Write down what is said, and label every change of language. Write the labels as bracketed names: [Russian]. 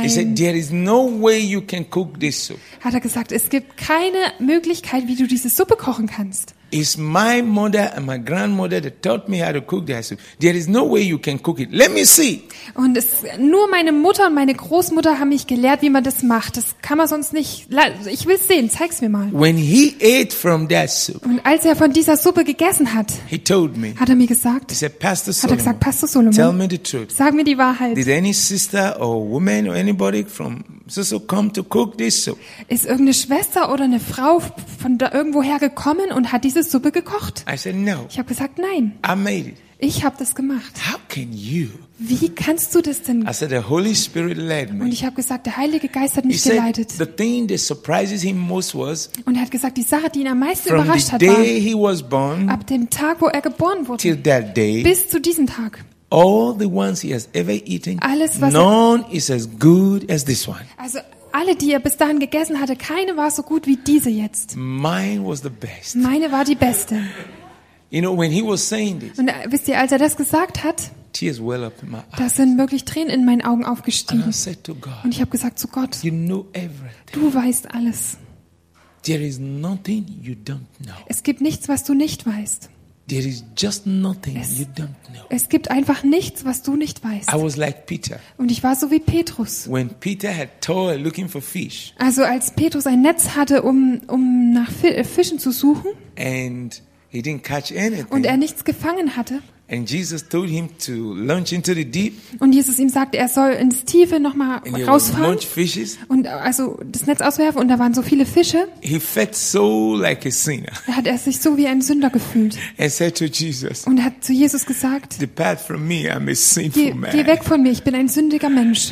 [English] He said, there is no way you can cook this soup. [German] Hat er gesagt, es gibt keine Möglichkeit, wie du diese Suppe kochen kannst. [English] It's my mother and my grandmother that taught me how to cook their soup. There is no way you can cook it. Let me see. [German] Und es, nur meine Mutter und meine Großmutter haben mich gelehrt, wie man das macht. Das kann man sonst nicht. Ich will es sehen. Zeig's mir mal. [English] When he ate from that soup. [German] Und als er von dieser Suppe gegessen hat. [English] He told me. [German] Hat er mir gesagt. [English] He said, Pastor Solomon. [German] Hat er gesagt, Pastor Solomon. [English] Tell me the truth. [German] Sag mir die Wahrheit. [English] Did any sister or woman or anybody from Susu come to cook this soup? [German] Ist irgendeine Schwester oder eine Frau von da irgendwoher gekommen und hat diese Suppe gekocht? [English] I said, no. [German] Ich habe gesagt, nein. [English] I made it. [German] Ich habe das gemacht. [English] How can you? [German] Wie kannst du das denn? [English] I said, the Holy Spirit led me. [German] Und ich habe gesagt, der Heilige Geist hat mich geleitet. [English] The thing that surprises him most was, [German] und er hat gesagt, die Sache, die ihn am meisten [English] from [German] überrascht [English] the day [German] hat, war, [English] he was born, [German] ab dem Tag, wo er geboren wurde, [English] till that day, [German] bis zu diesem Tag, [English] all the ones he has ever eaten, [German] alles, was [English] none er, is as good as this one. [German] Also alle, die er bis dahin gegessen hatte, keine war so gut wie diese jetzt. [English] Mine was the best. [German] Meine war die beste. [English] You know, when he was saying this, [German] und wisst ihr, als er das gesagt hat, [English] tears well up in my eyes. [German] Da sind wirklich Tränen in meinen Augen aufgestiegen. [English] And I said to God, [German] und ich habe gesagt zu Gott, [English] you know everything. [German] Du weißt alles. [English] There is nothing you don't know. [German] Es gibt nichts, was du nicht weißt. [English] There is just nothing you don't know. [German] Es gibt einfach nichts, was du nicht weißt. [English] I was like Peter. [German] Und ich war so wie Petrus. [English] When Peter had toil looking for fish. [German] Also als Petrus ein Netz hatte, um nach Fischen zu suchen. [English] And he didn't catch anything. [German] Und er nichts gefangen hatte. [English] And Jesus told him to launch into the deep. [German] Und Jesus ihm sagte, er soll ins Tiefe noch mal rausfahren. [English] Launch fishes. [German] Und also das Netz auswerfen und da waren so viele Fische. [English] He felt so like a sinner. [German] Da hat er sich so wie ein Sünder gefühlt. [English] And said to Jesus. [German] Und hat zu Jesus gesagt. [English] Depart from me, I'm a sinful man. [German] Geh weg von mir, ich bin ein sündiger Mensch.